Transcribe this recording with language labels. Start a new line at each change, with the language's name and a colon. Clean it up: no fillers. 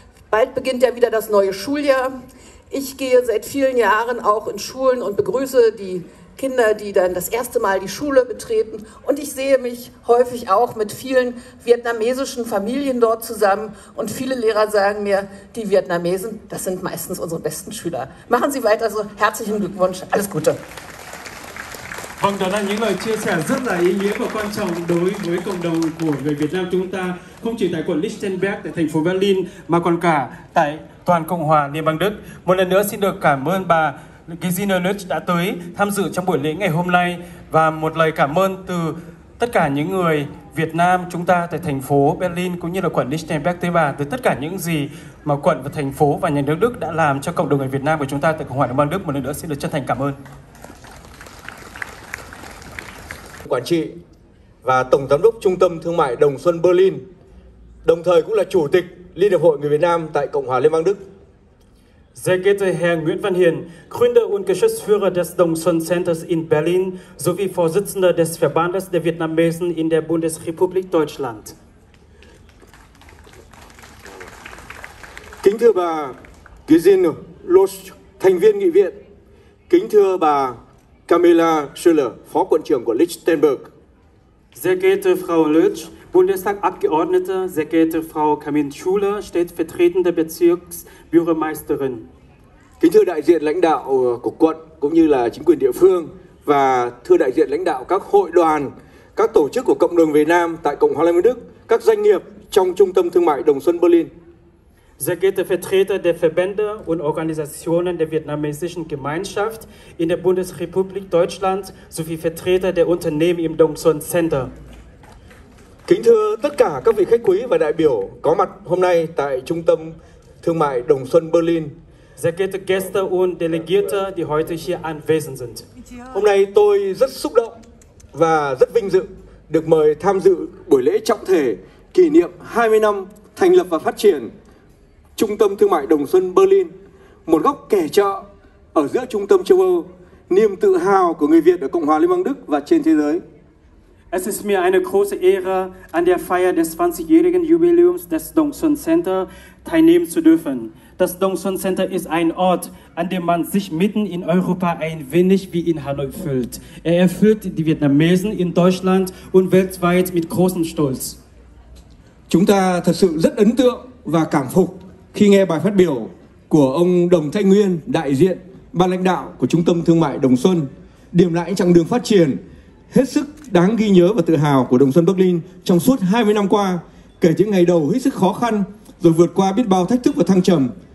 German: Bald beginnt ja wieder das neue Schuljahr. Ich gehe seit vielen Jahren auch in Schulen und begrüße die Kinder, die dann das erste Mal die Schule betreten. Und ich sehe mich häufig auch mit vielen vietnamesischen Familien dort zusammen. Und viele Lehrer sagen mir, die Vietnamesen, das sind meistens unsere besten Schüler. Machen Sie weiter so. Herzlichen Glückwunsch. Alles Gute.
Vietnamese: Vâng, đó là những lời chia sẻ rất là ý nghĩa và quan trọng đối với cộng đồng của người Việt Nam chúng ta, không chỉ tại quận Lichtenberg, tại thành phố Berlin, mà còn cả tại toàn Cộng hòa Liên bang Đức. Một lần nữa xin được cảm ơn bà Gesine Lutz đã tới tham dự trong buổi lễ ngày hôm nay và một lời cảm ơn từ tất cả những người Việt Nam chúng ta tại thành phố Berlin cũng như là quận Lichtenberg tới bà từ tất cả những gì mà quận và thành phố và nhà nước Đức đã làm cho cộng đồng người Việt Nam của chúng ta tại Cộng hòa Liên bang Đức. Một lần nữa xin được chân thành cảm ơn. Quản trị và Tổng Giám đốc Trung tâm Thương mại Đồng Xuân Berlin, đồng thời cũng là Chủ tịch Liên Hiệp Hội Người Việt Nam tại Cộng hòa Liên bang Đức.
German: Sehr geehrter Herr Nguyễn Văn Hiền, Gründer und Geschäftsführer des Đồng Xuân Centers in Berlin sowie Vorsitzender des Verbandes der Vietnamesen in der Bundesrepublik Deutschland.
Vietnamese: Kính thưa bà Gizin Loch, thành viên nghị viện. Kính thưa bà Camilla Schüller, Phó quận trưởng của Lichtenberg.
German: Sehr geehrte Frau Loch, Bundestagabgeordnete, sehr geehrte Frau Camille Schüller, stellvertretende Bezirksbürgermeisterin.
Vietnamese: Kính thưa đại diện lãnh đạo của quận cũng như là chính quyền địa phương và thưa đại diện lãnh đạo các hội đoàn, các tổ chức của cộng đồng Việt Nam tại Cộng hòa Liên bang Đức, các doanh nghiệp trong trung tâm thương mại Đồng Xuân Berlin.
German: Sehr geehrte Vertreter der Verbände und Organisationen der vietnamesischen Gemeinschaft in der Bundesrepublik Deutschland sowie Vertreter der Unternehmen im Đồng Xuân Center.
Vietnamese: Kính thưa tất cả các vị khách quý và đại biểu có mặt hôm nay tại trung tâm thương mại Đồng Xuân Berlin.
German: Sehr geehrte Gäste und Delegierte, die heute hier anwesend sind.
Vietnamese: Hôm nay tôi rất xúc động và rất vinh dự được mời tham dự buổi lễ trọng thể kỷ niệm 20 năm thành lập và phát triển trung tâm thương mại Đồng Xuân Berlin, một góc kẻ chợ ở giữa trung tâm châu Âu, niềm tự hào của người Việt ở Cộng hòa Liên bang Đức và trên thế giới.
German: Es ist mir eine große Ehre, an der Feier des 20-jährigen Jubiläums des Đồng Xuân Center teilnehmen zu dürfen. Das Đồng Xuân Center ist ein Ort, an dem man sich mitten in Europa ein wenig wie in Hanoi fühlt. Er erfüllt die Vietnamesen in Deutschland und weltweit mit großem Stolz.
Vietnamese: Chúng ta thật sự rất ấn tượng và cảm phục khi nghe bài phát biểu của ông Đồng Thanh Nguyên, đại diện ban lãnh đạo của Trung tâm Thương mại Đồng Xuân, điểm lại chặng đường phát triển hết sức đáng ghi nhớ và tự hào của Đồng Xuân Berlin trong suốt 20 năm qua, kể những ngày đầu hết sức khó khăn, rồi vượt qua biết bao thách thức và thăng trầm.